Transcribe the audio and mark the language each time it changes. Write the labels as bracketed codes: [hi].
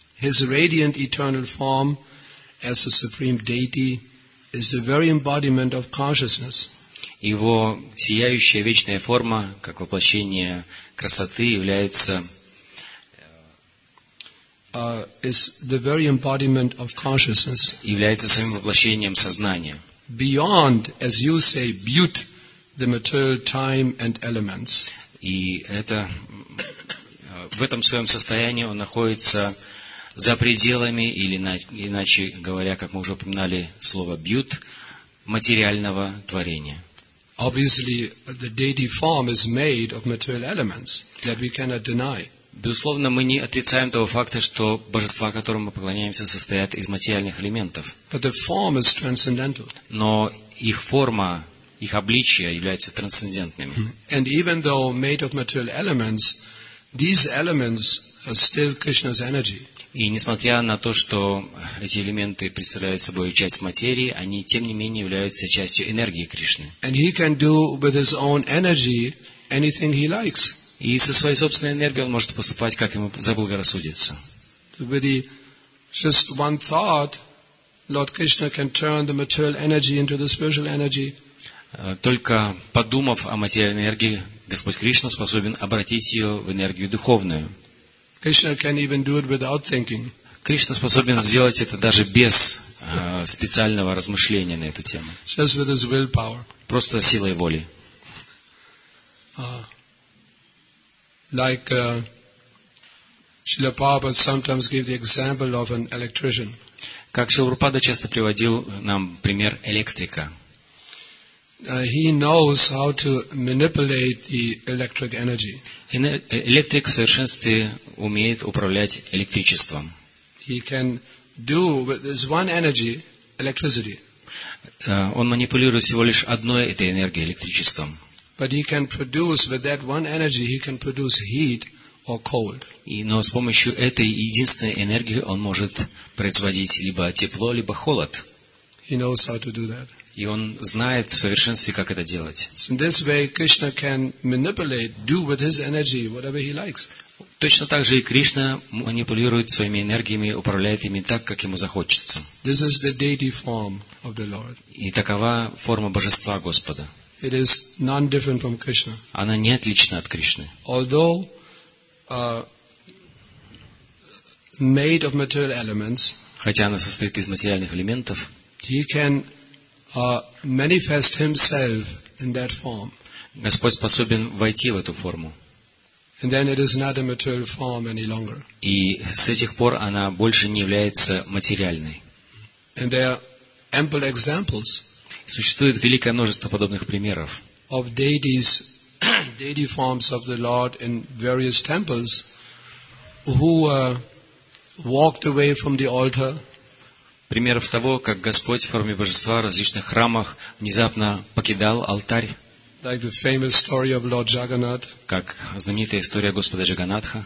[en] His radiant eternal form as a supreme deity is the very embodiment of consciousness. [ru] Его сияющая вечная форма, как воплощение красоты, является [en] is the very embodiment of consciousness. [ru] Является самим воплощением сознания. [en] Beyond, as you say, but the material time and elements. [ru] И это в этом своем состоянии он находится за пределами, или иначе говоря, как мы уже упоминали слово «бьют», материального творения. [en] Obviously, the deity form is made of material elements that we cannot deny. [ru] Безусловно, мы не отрицаем того факта, что божества, которым мы поклоняемся, состоят из материальных элементов. [en] But the form is transcendental. [ru] Но их форма, их обличие являются трансцендентными. [en] And even though made of material elements, these elements are still Krishna's energy. [ru] И несмотря на то, что эти элементы представляют собой часть материи, они тем не менее являются частью энергии Кришны. [en] And he can do with his own energy anything he likes. [ru] И со своей собственной энергией он может поступать, как ему заблагорассудится. [en] With just one thought, Lord Krishna can turn the material energy into the spiritual energy. [ru] Только подумав о материальной энергии, Господь Кришна способен обратить ее в энергию духовную. [en] Krishna can even do it without thinking. [ru] Кришна способен сделать это даже без специального размышления на эту тему. [en] Just with his willpower. [ru] Просто силой воли. [en] Like Srila Prabhupada sometimes gave the example of an electrician. [ru] Как Шрила Прабхупада часто приводил нам пример электрика. [en] He knows how to manipulate the electric energy. [ru] Электрик в совершенстве умеет управлять электричеством. [en] He can do with this one energy, electricity. [ru] Он манипулирует всего лишь одной этой энергией, электричеством. [en] But he can produce with that one energy, he can produce heat or cold. [ru] Но с помощью этой единственной энергии он может производить либо тепло, либо холод. [en] He knows how to do that. [ru] И он знает в совершенстве, как это делать. Точно так же и Кришна манипулирует своими энергиями, управляет ими так, как ему захочется. [en] This is the deity form of the Lord. [ru] И такова форма Божества Господа. [en] It is non-different from Krishna. [ru] Она не отлична от Кришны. [en] Although made of material elements, [ru] хотя она состоит из материальных элементов, [en] he can manifest himself in that form. [ru] Господь способен войти в эту форму. [en] And then it is not a material form any longer. [ru] И с этих пор она больше не является материальной. [en] And there are ample examples. [ru] Существует великое множество подобных примеров. [en] Of deities, deity forms of the Lord in various temples, who walked away from the altar. [ru] Примеров того, как Господь в форме Божества в различных храмах внезапно покидал алтарь. [en] Like the famous story of Lord Jagannath. [ru] Как знаменитая история Господа Джаганатха.